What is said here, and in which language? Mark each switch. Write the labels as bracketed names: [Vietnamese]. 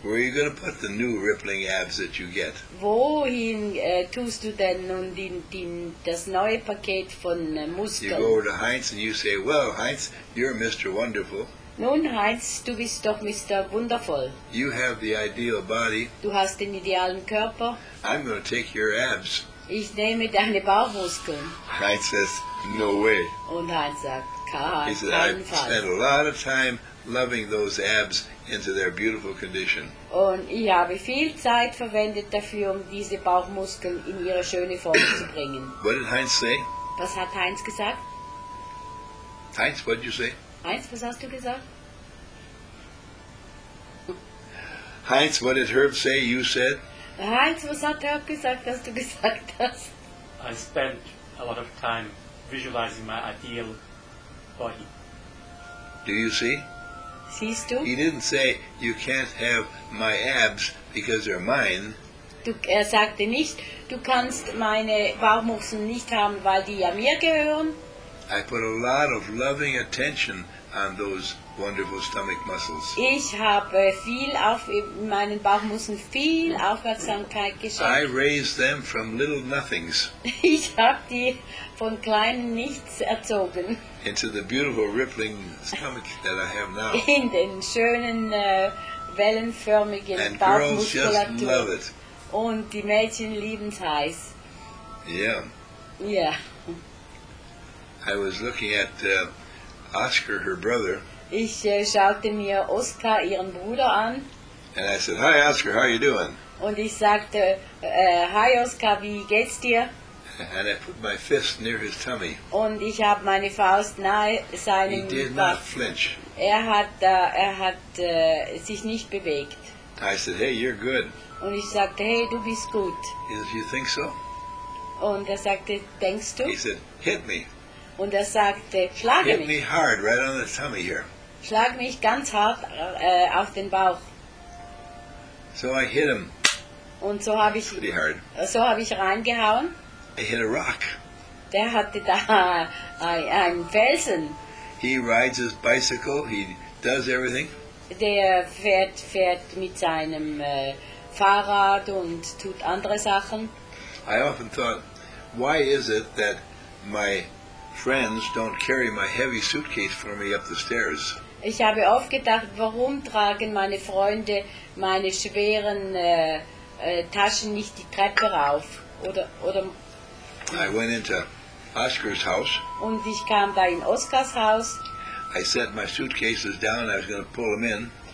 [English] Where are you going to put the new rippling abs that you get? [German] Wohin tust du denn nun das neue Paket von Muskeln? [English] You go over to Heinz and you say, well, Heinz, you're Mr. Wonderful. [German] Nun, Heinz, du bist doch Mr. Wundervoll. [English] You have the ideal body. [German] Du hast den idealen Körper. [English] I'm going to take your abs. [German] Ich nehme deine Bauchmuskeln. [English] Heinz says, no way. [German] Und Heinz sagt, [English] he said, I've spent a lot of time loving those abs into their beautiful condition. [German] Und ich habe viel Zeit verwendet dafür, um diese Bauchmuskeln in ihre schöne Form zu bringen. [English] What did Heinz say? [German] Was hat Heinz gesagt? [English] Heinz, what did you say? [German] Heinz, was hast du gesagt? [English] Heinz, what did Herb say? You said? [German] Heinz, was hat Herb gesagt, was du gesagt hast? [English] I spent a lot of time visualizing my ideal body. Do you see? [German] Siehst du? [English] He didn't say you can't have my abs because they're mine. [German] Er sagte nicht, du kannst meine Bauchmuskeln nicht haben, weil die ja mir gehören. [English] I put a lot of loving attention on those wonderful stomach muscles. [German] Ich habe viel auf meinen Bauchmuskeln viel Aufmerksamkeit geschenkt. [English] I raised them from little nothings. [German] Ich habe die von kleinen Nichts erzogen. [English] Into the beautiful rippling stomach that I have now. [German] In den schönen wellenförmigen Bauchmuskulatur. [English] And girls just love it. [German] Und die Mädchen lieben es heiß. Yeah. Yeah. [English] I was looking at Oscar, her brother. [German] Ich schaute mir Oscar, ihren Bruder, an. [English] And I said, hi Oscar, how are you doing? [German] Und ich sagte, hi Oscar, wie geht's dir? [English] And I put my fist near his tummy. [German] Und ich habe meine Faust nahe seinem Bauch. [English] He did not flinch. [German] Er hat sich nicht bewegt. [English] I said, hey, you're good. [German] Und ich sagte, hey, du bist gut. [English] He said, you think so? [German] Und er sagte, denkst du? [English] He said, hit me. [German] Und er sagte, schlag [English] hit [German] mich. [English] Hit me hard, right on the tummy here. [German] Schlag mich ganz hart auf den Bauch. [English] So I hit him. [German] Und so habe ich [English] pretty hard. [German] So habe ich reingehauen. [English] I hit a rock. [German] Der hatte da einen Felsen. [English] He rides his bicycle. He does everything. [German] Der fährt mit seinem Fahrrad und tut andere Sachen. [English] I often thought, why is it that my friends don't carry my heavy suitcase for me up the stairs? [German] Ich habe oft gedacht, warum tragen meine Freunde meine schweren Taschen nicht die Treppe rauf? Oder [English] I went into Oscar's house. [German] Und ich kam da in Oscars Haus. [English] I set my suitcases down. I was going to pull them in.